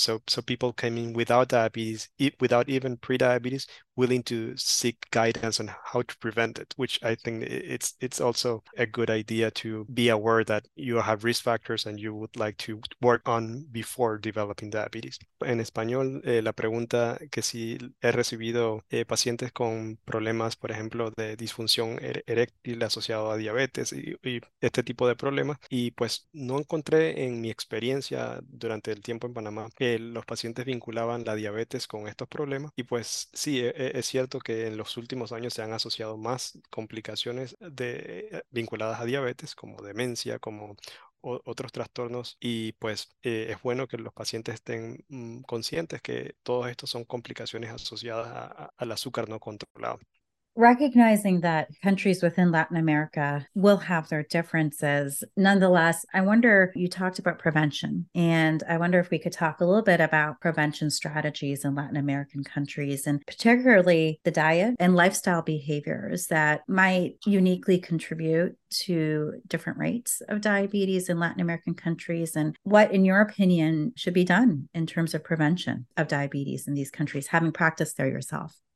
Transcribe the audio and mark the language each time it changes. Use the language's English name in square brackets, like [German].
[English] So people came in without diabetes, without even pre-diabetes, willing to seek guidance on how to prevent it, which I think it's also a good idea to be aware that you have risk factors and you would like to work on before developing diabetes. [Spanish] En español, la pregunta que si he recibido pacientes con problemas, por ejemplo, de disfunción eréctil asociado a diabetes y este tipo de problemas. Y pues no encontré en mi experiencia durante el tiempo en Panamá que los pacientes vinculaban la diabetes con estos problemas. Y pues sí, es cierto que en los últimos años se han asociado más complicaciones vinculadas a diabetes, como demencia, como otros trastornos. Y pues es bueno que los pacientes estén conscientes que todos estos son complicaciones asociadas al azúcar no controlado. [English] Recognizing that countries within Latin America will have their differences, nonetheless, I wonder, you talked about prevention, and I wonder if we could talk a little bit about prevention strategies in Latin American countries, and particularly the diet and lifestyle behaviors that might uniquely contribute to different rates of diabetes in Latin American countries, and what, in your opinion, should be done in terms of prevention of diabetes in these countries, having practiced there yourself.